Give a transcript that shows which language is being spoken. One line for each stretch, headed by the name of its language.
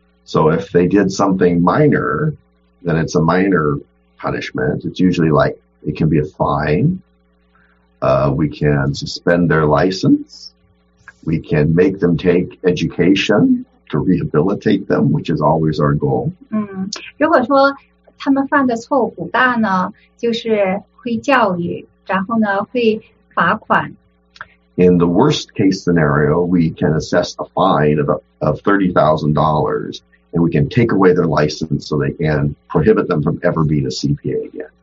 English: So if they did something minor, then it's a minor punishment. It's usually like, it can be a fine. We can suspend their license. We can make them take education to rehabilitate them, which is always our goal.
Chinese: 如果说他们犯的错误不大呢，就是会教育，然后呢会罚款。
English: In the worst case scenario, we can assess a fine of $30,000, and we can take away their license so they can prohibit them from ever being a CPA again.